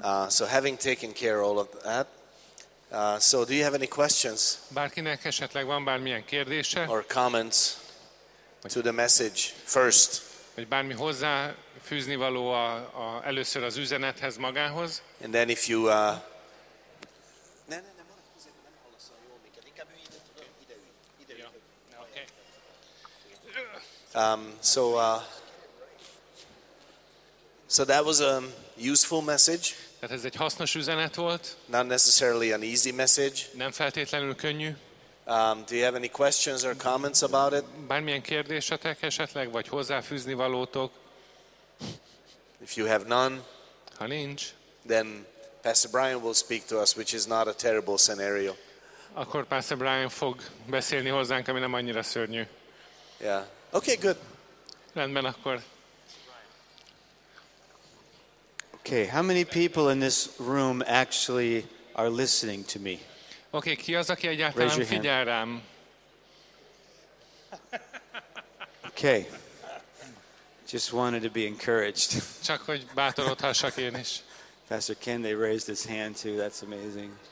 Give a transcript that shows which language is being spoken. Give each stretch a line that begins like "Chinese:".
English: So having taken care all of that. So do you have any questions?
Hungarian: Bárkinek esetleg van bármilyen kérdése?
English: Or comments to the message first.
Hungarian: Vagy bármi hozzá fűzni való a először az üzenethez magához?
English: And then if you So that was a useful message.
Hungarian: Tehát ez egy hasznos üzenet volt.
English: Not necessarily an easy message.
Hungarian: Nem feltétlenül könnyű.
English: Do you have any questions or comments about it?
Hungarian: Bármilyen kérdésetek esetleg, vagy hozzáfűzni valótok?
English: If you have none,
Hungarian: ha nincs,
English: then Pastor Brian will speak to us, which is not a terrible scenario.
Hungarian: Akkor Pastor Brian fog beszélni hozzánk, ami nem annyira szörnyű.
English: Yeah. Okay, good.
Hungarian: Rendben akkor.
English: Okay, how many people in this room actually are listening to me?
Hungarian: Okay, ki az, aki egyáltalán figyel rám?
English: Okay. Just wanted to be encouraged.
Hungarian: Csak hogy bátorodhassak én is.
English: Pastor Ken, they raised his hand too. That's amazing.